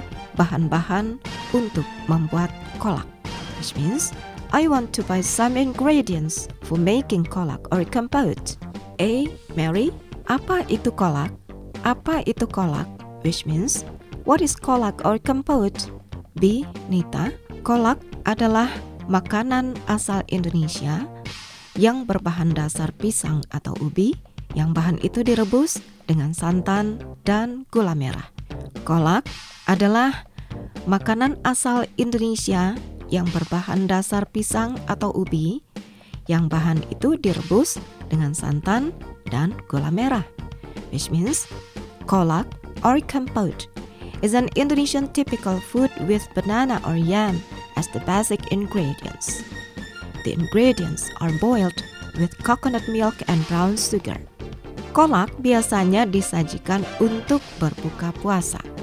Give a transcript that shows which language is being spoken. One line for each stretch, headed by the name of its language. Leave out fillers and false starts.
Indonesian: Saya mau membeli bahan-bahan untuk membuat kolak.
English: Which means, I want to buy some ingredients for making kolak or compote. A.
Indonesian: Mary, apa itu kolak? Apa itu kolak?
English: Which means, what is kolak or compote? B.
Indonesian: Nita, kolak adalah makanan asal Indonesia yang berbahan dasar pisang atau ubi, yang bahan itu direbus dengan santan dan gula merah. Kolak adalah makanan asal Indonesia yang berbahan dasar pisang atau ubi, yang bahan itu direbus dengan santan dan gula merah.
English: Which means, kolak or compote is an Indonesian typical food with banana or yam as the basic ingredients. The ingredients are boiled with coconut milk and brown sugar.
Indonesian: Kolak biasanya disajikan untuk berbuka puasa.